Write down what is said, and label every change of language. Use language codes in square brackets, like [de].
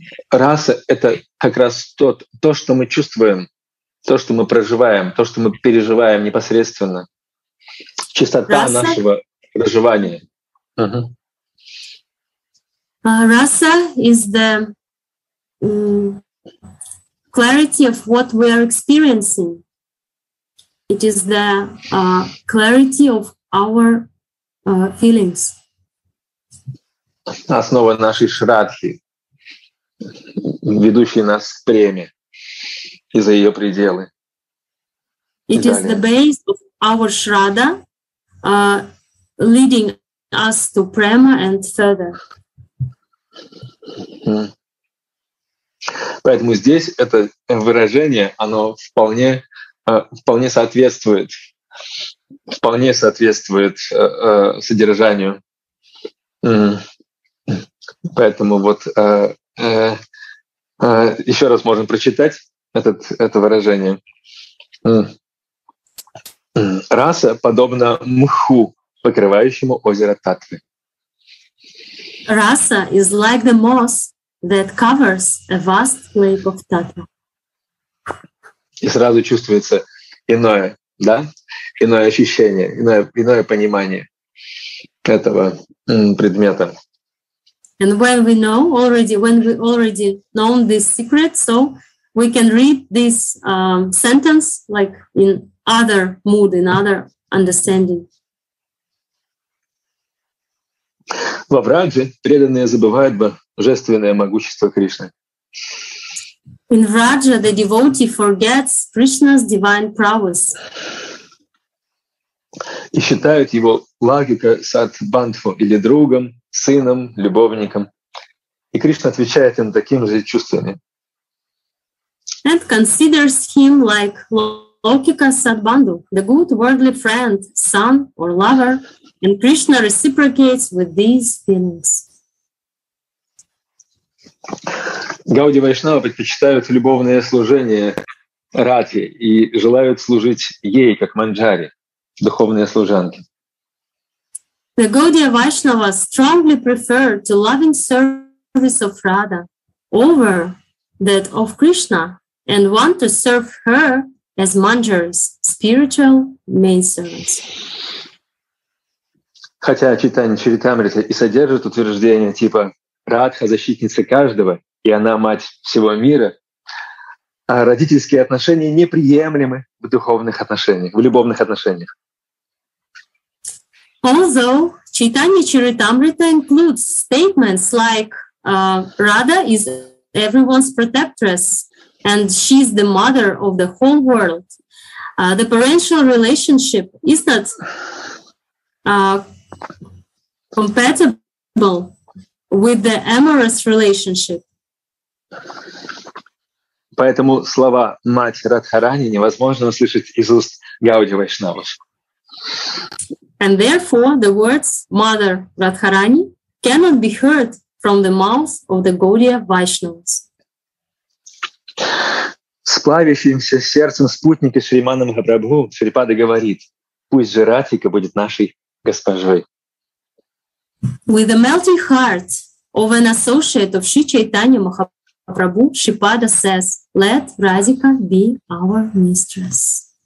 [ru] Раса — это как раз то, что мы чувствуем, то, что мы проживаем, то, что мы переживаем непосредственно. Чистота нашего проживания. [en] Раса is the clarity of what we are experiencing. It is the clarity of our feelings. [ru] Основа нашей шрадхи, ведущей нас к преме и за ее пределы. [en] It is the base of our shraddha, leading us to prema and further. [ru] Поэтому здесь это выражение, оно вполне, вполне соответствует содержанию. Поэтому вот еще раз можем прочитать это выражение. Раса подобна мху, покрывающему озеро Татвы. [en] Раса is like the moss that covers a vast lake of Tatva. [ru] И сразу чувствуется иное, да? Иное ощущение, иное понимание этого предмета. [en] And when we know already, when we already know this secret, so we can read this sentence like in other mood, in other understanding. [ru] Во Врадже преданные забывают божественное могущество Кришны. [en] In Vraja, the devotee forgets Krishna's divine prowess. [ru] И считают его лагика сатбандху или другом, сыном, любовником. И Кришна отвечает им таким же чувствами. [en] And considers him like Lokika Sadbandhu, the good worldly friend, son or lover, and Krishna reciprocates with these feelings. [ru] Гауди Вайшнава предпочитают любовное служение Рати и желают служить ей, как Манджари, духовные служанки. [en] The Gaudiya Vaishnava strongly prefer to loving service of Radha over that of Krishna and want to serve her as manjaris, spiritual maidservants. [ru] Хотя читание Чаритамриты и содержит утверждение типа «Радха — защитница каждого, и она — мать всего мира», а родительские отношения неприемлемы в духовных отношениях, в любовных отношениях. [en] Although Chaitanya Charitamrita includes statements like Radha is everyone's protectress and she's the mother of the whole world, the parental relationship is not compatible with the amorous relationship. [ru] Поэтому слова «мать Радхарани» невозможно услышать из уст Гауди Вайшнавов. [en] And therefore, the words "Mother Radharani" cannot be heard from the mouth of the Gaudiya Vaishnavas. [ru] Сплавившимся сердцем спутника Шримана Махапрабху Шрипада говорит: «Пусть же Радхика будет нашей госпожой». [en] With the melting heart of an associate of Sri Chaitanya Mahaprabhu, Шрипада says, "Let Radhika be our mistress."